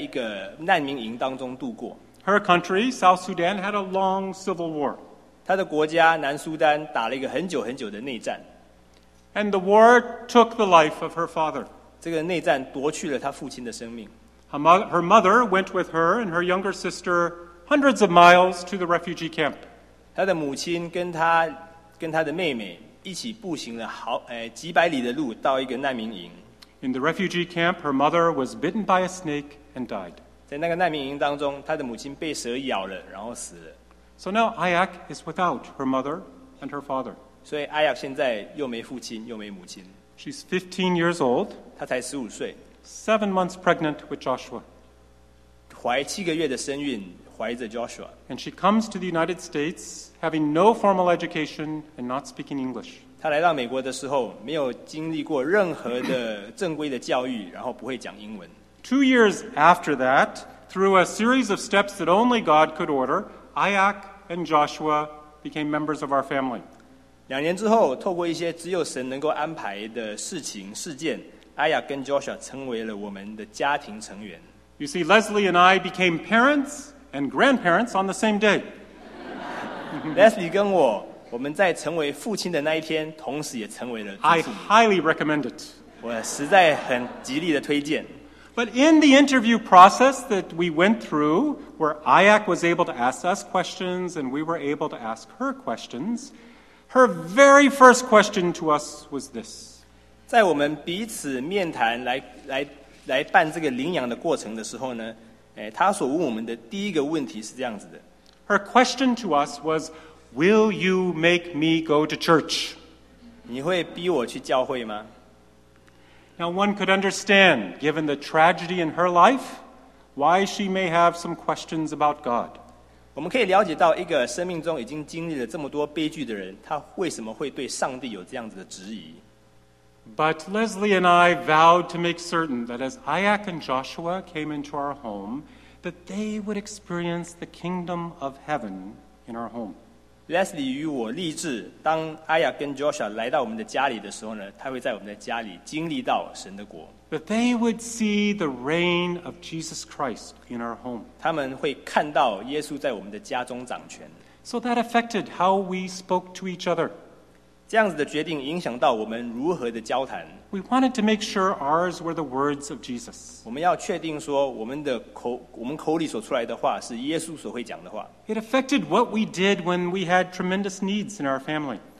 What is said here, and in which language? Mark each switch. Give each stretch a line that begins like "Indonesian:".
Chinese: 她生命中头15年是在一个难民营当中度过。
English: Her country, South Sudan, had a long civil war.
Chinese: 她的国家, 南苏丹打了一个很久很久的内战。
English: And the war took the life of her father.
Chinese: 这个内战夺去了她父亲的生命。
English: Her mother went with her and her younger sister hundreds of miles to the refugee camp.
Chinese: 她的母亲跟她的妹妹一起步行了几百里的路到一个难民营。
English: In the refugee camp, her mother was bitten by a snake and died.
Chinese: 在那个难民营当中, 她的母亲被蛇咬了, 然后死了。
English: So now Ayak is without her mother and her father.
Chinese: 所以Ayak现在又没父亲又没母亲。
English: She's 15 years old.
Chinese: 她才15岁。
English: 7 months pregnant with Joshua.
Chinese: 怀7个月的身孕, 怀着Joshua。
English: And she comes to the United States having no formal education and not speaking English.
Chinese: 她来到美国的时候, 没有经历过任何的正规的教育, 然后不会讲英文。
English: 2 years after that, through a series of steps that only God could order, Ayak and Joshua became members of our family.
Chinese: 2年之后, 透过一些只有神能够安排的事情事件, Ayak and Joshua 成为了我们的家庭成员。
English: You see, Leslie and I became parents and grandparents on the same day.
Chinese: Leslie跟我, 我们在成为父亲的那一天, 同时也成为了父亲。
English: I highly recommend it.
Chinese: 我实在很极力的推荐。
English: But in the interview process that we went through, where Ayak was able to ask us questions and we were able to ask her questions, her very first question to us was this.
Chinese: 在我们彼此面谈来办这个领养的过程的时候呢, 她所问我们的第一个问题是这样子的。
English: Her question to us was, will you make me go to church?
Chinese: 你会逼我去教会吗?
English: Now one could understand, given the tragedy in her life, why she may have some questions about God.
Chinese: 我们可以了解到一个生命中已经经历了这么多悲剧的人, 他为什么会对上帝有这样子的质疑?
English: But Leslie and I vowed to make certain that as Ayak and Joshua came into our home, that they would experience the kingdom of heaven in our home.
Chinese: Leslie与我立志, 当Ayak跟Joshua来到我们的家里的时候呢, 他会在我们的家里经历到神的国。
English: That they would see the reign of Jesus Christ in our home.
Chinese: 他们会看到耶稣在我们的家中掌权。
English: So that affected how we spoke to each other.
Chinese: 这样子的决定影响到我们如何的交谈。
English: We wanted to make sure ours were the words of Jesus.
Chinese: 我们要确定说我们口里所出来的话是耶稣所会讲的话。
English: It affected what we did when we had tremendous needs in our family.